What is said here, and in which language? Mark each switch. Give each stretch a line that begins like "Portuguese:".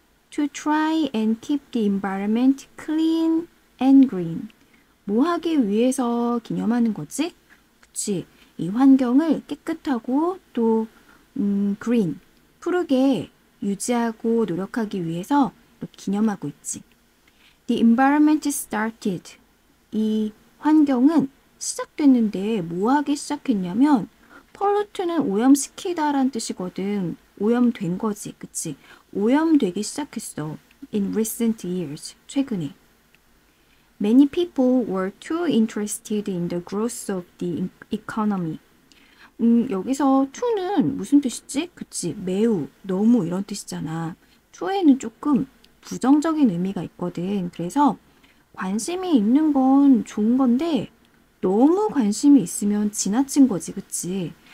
English: To try and keep the environment clean and green.
Korean: 뭐 하기 위해서 기념하는 거지? 그치. 이 환경을 깨끗하고 또 green, 푸르게 유지하고 노력하기 위해서 기념하고 있지.
English: The environment started.
Korean: 이 환경은 시작됐는데 뭐 하기 시작했냐면 pollute는 오염시키다라는 뜻이거든. 오염된 거지. 그치? 오염되기 시작했어.
English: In recent years.
Korean: 최근에.
English: Many people were too interested in the growth of the economy.
Korean: 여기서 to는 무슨 뜻이지? 그치, 매우, 너무 이런 뜻이잖아. to에는 조금 부정적인 의미가 있거든. 그래서 관심이 있는 건 좋은 건데, 너무 관심이 있으면 지나친 거지, 그치?